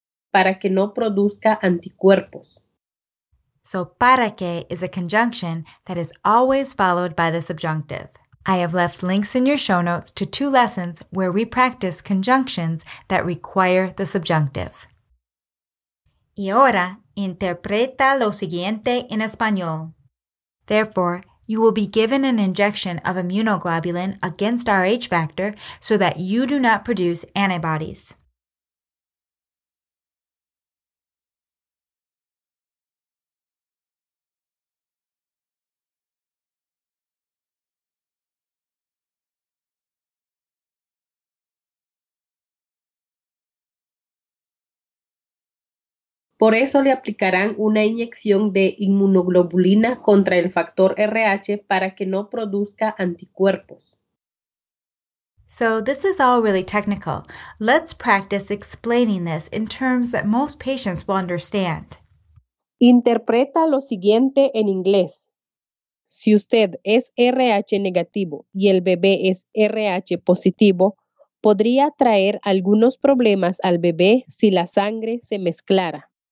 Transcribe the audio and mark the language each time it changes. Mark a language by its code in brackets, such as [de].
[es] Para que no produzca anticuerpos. [en] So, para que is a conjunction that is always followed by the subjunctive. I have left links in your show notes to two lessons where we practice conjunctions that require the subjunctive. [es] Y ahora, interpreta lo siguiente en español. Therefore, [en] You will be given an injection of immunoglobulin against Rh factor so that you do not produce antibodies. [es] Por eso le aplicarán una inyección de inmunoglobulina contra el factor Rh para que no produzca anticuerpos. [en] So this is all really technical. Let's practice explaining this in terms that most patients will understand. [es] Interpreta lo siguiente en inglés. Si usted es Rh negativo y el bebé es Rh positivo, podría traer algunos problemas al bebé si la sangre se mezclara.